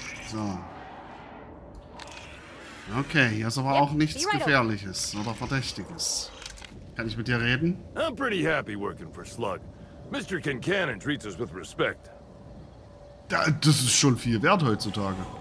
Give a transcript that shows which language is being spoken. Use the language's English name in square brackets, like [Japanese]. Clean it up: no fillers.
[German] So. Okay, hier ist aber auch nichts Gefährliches oder Verdächtiges. Kann ich mit dir reden? [English] I'm pretty happy working for Slug. Mr. Kincannon treats us with respect. [German] Das ist schon viel wert heutzutage.